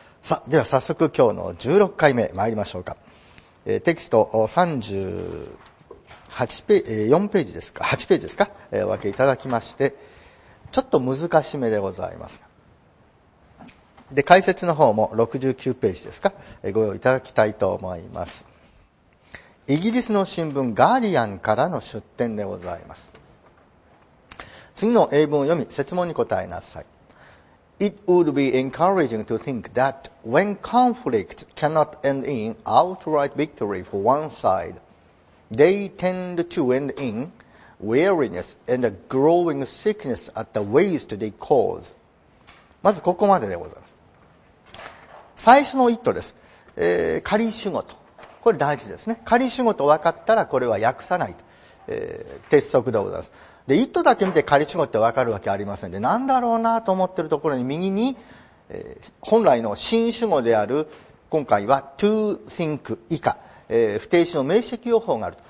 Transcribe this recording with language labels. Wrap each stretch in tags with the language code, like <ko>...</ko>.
<ja>さあ、では早速今日の16回目参りましょうか。テキスト38ページですか、お分けいただきまして、ちょっと難しめでございます。で、解説の方も69ページですか、ご用意いただきたいと思います。イギリスの新聞ガーディアンからの出典でございます。次の英文を読み、設問に答えなさい。</ja> <en>It would be encouraging to think that when conflict cannot end in outright victory for one side, they tend to end in weariness and a growing sickness at the waste they cause.</en> <ja>まずここまででございます。最初の It です、仮主語と、これ大事ですね。仮主語と分かったらこれは訳さないと、鉄則でございます。で、意図だけ見て仮主語って分かるわけありませんで、何だろうなと思ってるところに右に、本来の新主語である今回は to think 以下、不定詞の名詞記号法がある。</ja>